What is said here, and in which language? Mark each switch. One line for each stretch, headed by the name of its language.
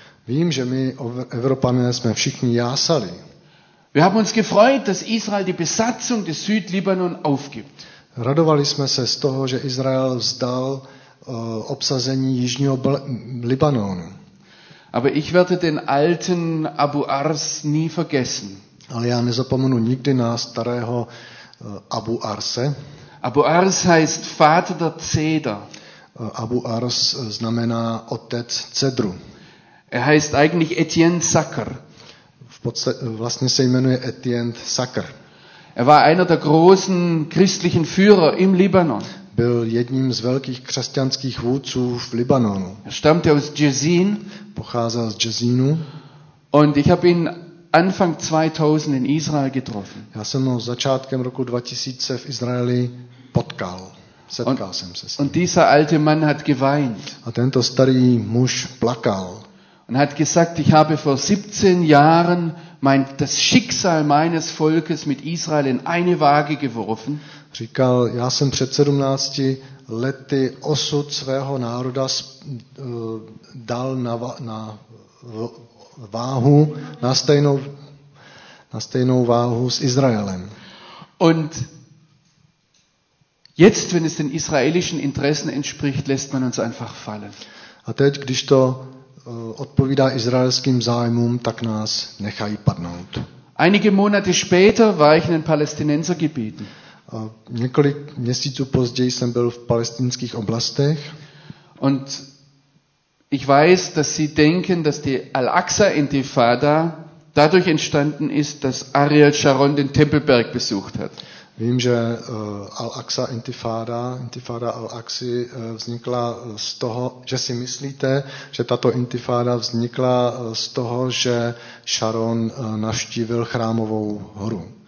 Czech: Vím, že my Evropané jsme všichni jásali.
German: Wir haben uns gefreut, dass Israel die Besatzung des Südlibanon aufgibt.
Czech: Radovali jsme se z toho, že Izrael vzdal obsazení jižního Libanonu.
German: Aber ich werde den alten Abu Ars nie vergessen.
Czech: Ale já nezapomenu nikdy na starého Abu Arse.
German: Abu Ars heißt Vater der Zeder.
Czech: Abu Ars znamená otec cedru.
German: Er heißt eigentlich Etienne Sacker.
Czech: Vlastně se jmenuje Etienne Sacker.
German: Er war einer der großen christlichen Führer im Libanon.
Czech: Byl jedním z velkých křesťanských vůdců v Libanonu.
German: Er stammte aus Jezin.
Czech: Pocházel z Jezinu.
German: Und ich habe ihn Anfang 2000 in Israel getroffen.
Czech: Já jsem ho začátkem roku 2000 v Izraeli potkal. Setkal jsem se s ním.
German: Und dieser alte Mann hat geweint.
Czech: A tento starý muž plakal.
German: Und hat gesagt, ich habe vor 17 Jahren das Schicksal meines Volkes mit Israel in eine Waage geworfen.
Czech: Říkal, já jsem před 17 lety osud svého národa dal na váhu, na stejnou váhu s Izraelem.
German: Und jetzt, wenn es den israelischen Interessen entspricht, lässt man uns einfach fallen.
Czech: A teď, když to odpovídá izraelským zájmům, tak nás nechají padnout.
German: Einige Monate später war ich in den Palästinensergebieten.
Czech: Několik měsíců později jsem byl v palestinských oblastech.
German: Und ich weiß, dass Sie denken, dass die Al-Aqsa-Intifada dadurch entstanden ist, dass Ariel Sharon den Tempelberg besucht hat.
Czech: Vím, že Intifada Al-Aqsa vznikla z toho, že si myslíte, že tato intifáda vznikla z toho, že Sharon navštívil chrámovou horu.